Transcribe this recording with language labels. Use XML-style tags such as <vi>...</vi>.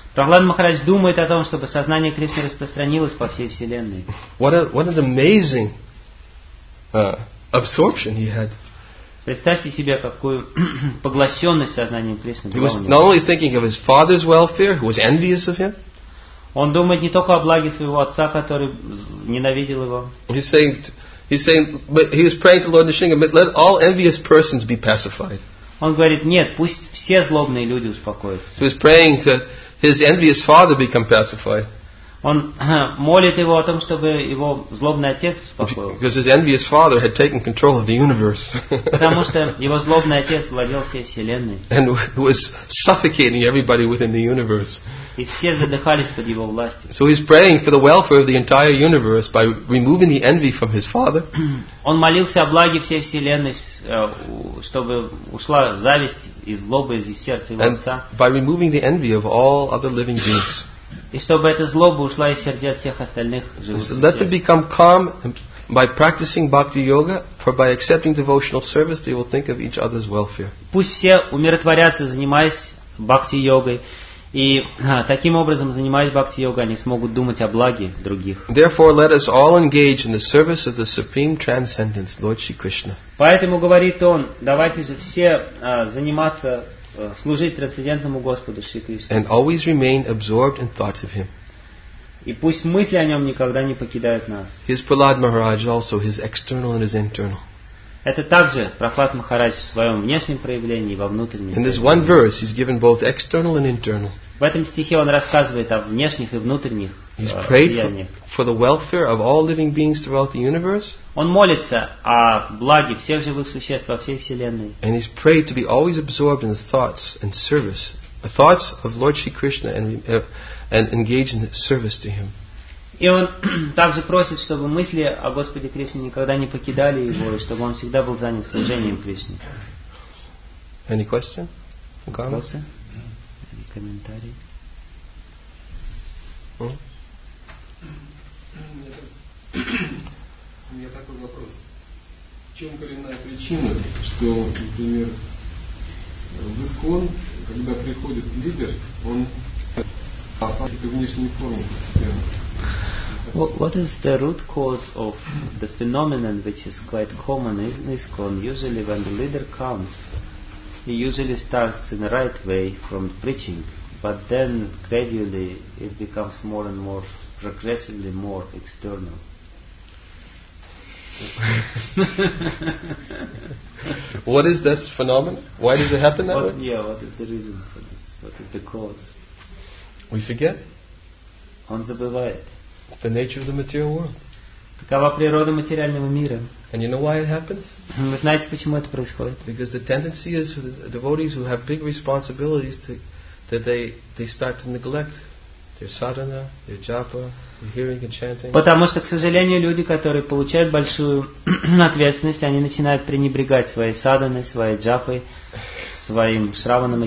<ru>Прохлад Махарадж думает о том, чтобы сознание Кришны распространилось по всей вселенной.</ru> <en>What an amazing absorption he had.</en> <ru>Представьте себе, какую поглощенность сознанием Кришны.</ru> <en>He was not only thinking of his father's welfare, who was envious of him.</en> <ru>Он думает не только о благе своего отца, который ненавидел его.</ru> <en>He's saying, but he was praying to Lord Nishinga, but let all envious persons be pacified.</en> <ru>Он говорит, нет, пусть все злобные люди успокоятся.</ru> <en>He was praying to his envious father become pacified.</en> <ru>Он молит его о том, чтобы его злобный отец успокоился.</ru> <en>Because his envious father had taken control of the universe.</en> <ru>Потому что его злобный отец владел всей вселенной.</ru> <en>And was suffocating everybody within the universe.</en> <ru>И все задыхались под его властью.</ru> <en>So he's praying for the welfare of the entire universe by removing the envy from his father.</en> <ru>Он молился о благе всей вселенной, чтобы ушла зависть и злоба из сердца его отца.</ru> <en>By removing the envy of all other living beings.</en> <ru>И чтобы эта злоба ушла из сердец всех остальных живых.</ru> <en>So let them become calm by practicing bhakti yoga, for by accepting devotional service they will think of each other's welfare.</en> <ru>Пусть все умиротворятся, занимаясь бхакти йогой, и таким образом, занимаясь бхакти йогой, они смогут думать о благе других.</ru> <en>Therefore, let us all engage in the service of the supreme transcendence, Lord Shri Krishna.</en> <ru>Поэтому говорит он, давайте же все заниматься. Служить трансцендентному Господу Шри Кришне.</ru> <en>And always remain absorbed in thought of Him.</en> <ru>И пусть мысли о Нем никогда не покидают нас.</ru> <en>His Prahlad Maharaj also, His external and His internal.</en> <ru>Это также Прохлад Махарадж в своем внешнем проявлении и во внутреннем.</ru> <en>In this one verse, He's given both external and internal.</en> <ru>В этом стихе Он рассказывает о внешних и внутренних влияниях.</ru> <en>He's prayed for the welfare of all living beings throughout the universe.</en> <ru>Он молится о благе всех живых существ во всей вселенной.</ru> <en>And he's prayed to be always absorbed in the thoughts and service, the thoughts of Lord Shri Krishna, and engage in service to Him.</en> <ru>И он также просит, чтобы мысли о Господе Кришне никогда не покидали его, и чтобы он всегда был занят служением Кришне.</ru> <en>Any question?</en> <ru>Вопросы? Комментарии? У меня такой вопрос. В чем коренная причина, что, например, в ИСКОН, когда приходит лидер, он опадает внешней формы постепенно?</ru> <en>What is the root cause of the phenomenon, which is quite common in ISKCON? Usually when the leader comes, he usually starts in the right way from preaching, but then gradually it becomes more and more progressively more external. What is this phenomenon? Why does it happen that way? Yeah, what is the reason for this? What is the cause? We forget.</en> <ru>Он забывает.</ru> <en>The nature of the material world.</en> <ru>Какова природа материального мира?</ru> <en>And you know why it happens?</en> <ru>Вы знаете, почему это происходит?</ru> <en>Because the tendency is for the devotees who have big responsibilities that they start to neglect their sadhana, their japa, their hearing and chanting.</en> <ru>Потому что, к сожалению, люди, которые получают большую ответственность, они начинают пренебрегать своей садханой, своей джапой, своим шраванам и</ru>